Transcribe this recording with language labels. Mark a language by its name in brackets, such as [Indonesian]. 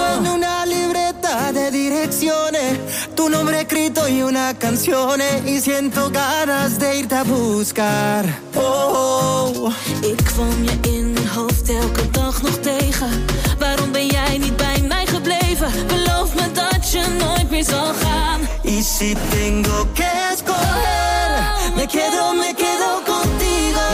[Spanish] En una libreta de direcciones, tu nombre escrito y una canción. Y siento ganas de irte a buscar. Oh. [Dutch] Ik kwam je in mijn hoofd elke dag nog tegen. Waarom ben jij niet bij mij gebleven? Beloof me dat je nooit meer zal gaan. [Spanish] Y si tengo que escoger, me quedo contigo.